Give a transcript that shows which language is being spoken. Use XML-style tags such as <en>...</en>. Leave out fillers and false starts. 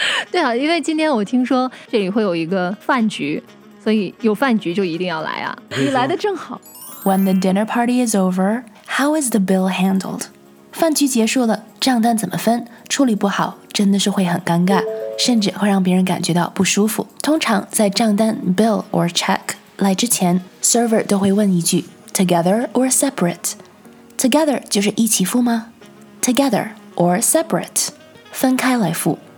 <zh>对啊，因为今天我听说这里会有一个饭局，所以有饭局就一定要来啊！你来的正好。</zh> <en>When the dinner party is over, how is the bill handled?</en> <zh>饭局结束了，账单怎么分？处理不好，真的是会很尴尬，甚至会让别人感觉到不舒服。通常在账单</zh> <en>bill or check</en> <zh>来之前 ，server 都会问一句</zh> <en>together or separate。</en> <zh>Together 就是一起付吗 ？</zh> <en>Together or separate，</en> <zh>分开来付。</zh>